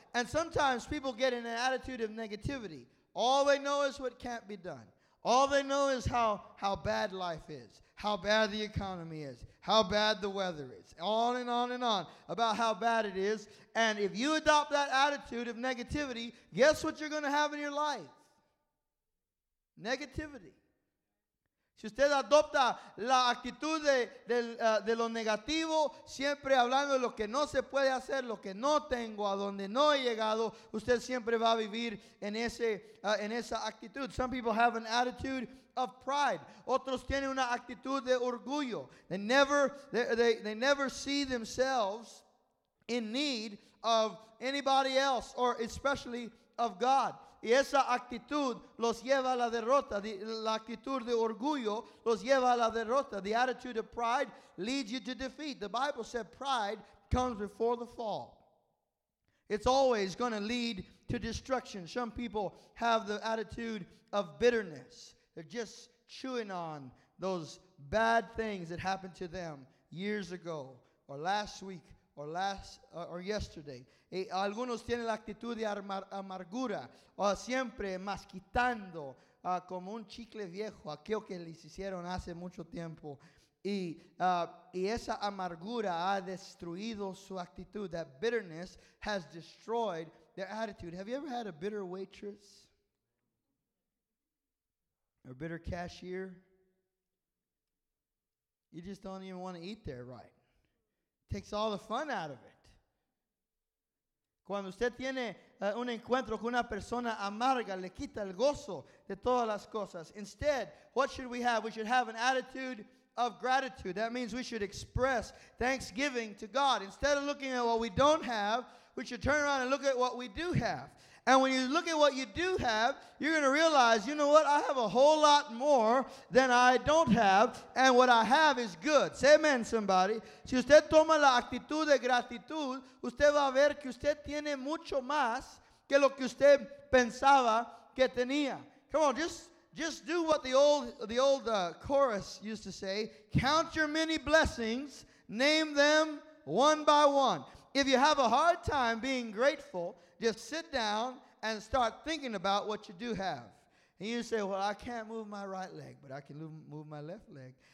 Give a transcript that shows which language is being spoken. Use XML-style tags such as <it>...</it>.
<en>And sometimes people get in an attitude of negativity. All they know is what can't be done. All they know is how bad life is, how bad the economy is, how bad the weather is, on and on and on about how bad it is. And if you adopt that attitude of negativity, guess what you're going to have in your life? Negativity.</en> <es>Si usted adopta la actitud de lo negativo, siempre hablando de lo que no se puede hacer, lo que no tengo, a donde no he llegado, usted siempre va a vivir en esa actitud.</es> <en>Some people have an attitude of pride.</en> <es>Otros tienen una actitud de orgullo.</es> <en>They never see themselves in need of anybody else, or especially of God.</en> <es>Y esa actitud los lleva a la derrota. La actitud de orgullo los lleva a la derrota.</es> <en>The attitude of pride leads you to defeat. The Bible said pride comes before the fall. It's always going to lead to destruction. Some people have the attitude of bitterness. They're just chewing on those bad things that happened to them years ago or last week. Or yesterday.</en> <es>Algunos tienen la actitud de amargura, o siempre masquitando como un chicle viejo aquello que les hicieron hace mucho tiempo. Y esa amargura ha destruido su actitud.</es> <en>That bitterness has destroyed their attitude. Have you ever had a bitter waitress? Or a bitter cashier? You just don't even want to eat there, right? Takes all the fun out of it.</en> <es>Cuando usted tiene un encuentro con una persona amarga, le quita el gozo de todas las cosas.</es> <en>Instead, what should we have? We should have an attitude of gratitude. That means we should express thanksgiving to God. Instead of looking at what we don't have, we should turn around and look at what we do have. And when you look at what you do have, you're going to realize, you know what? I have a whole lot more than I don't have, and what I have is good. Say amen, somebody.</en> <es>Si usted toma la actitud de gratitud, usted va a ver que usted tiene mucho más que lo que usted pensaba que tenía.</es> <en>Come on, just do what the old chorus used to say. Count your many blessings, name them one by one. If you have a hard time being grateful, just sit down and start thinking about what you do have. And you say, well, I can't move my right leg, but I can move my left leg.</en>